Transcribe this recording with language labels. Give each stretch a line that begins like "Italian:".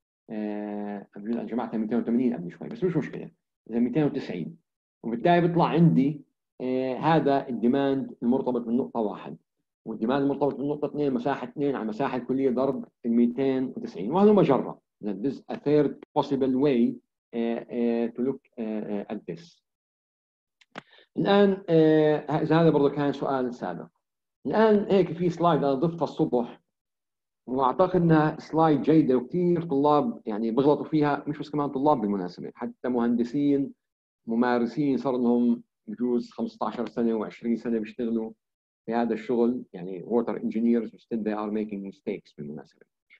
Arabic: انا جمعتها 280 قبل شوي، بس مش مشكله اذا 290، وبالتالي بيطلع عندي هذا الديماند المرتبط بالنقطه 1، والديماند المرتبط بالنقطه 2 مساحه 2 على مساحه الكليه ضرب ال 290، وهذا مجره.
English: That this a third possible way to look at this.
Arabic: الآن إذا هذا برضو كان سؤال سابق. الآن هيك في سلايد أنا ضفتها الصبح، وأعتقد إنها سلايد جيدة وكثير طلاب يعني بغلطوا فيها، مش بس كمان طلاب بالمناسبة، حتى مهندسين ممارسين صار لهم بجوز 15 سنة و 20 سنة بيشتغلوا في هذا الشغل، يعني
English: water engineers but still they are making mistakes
Arabic: بالمناسبة.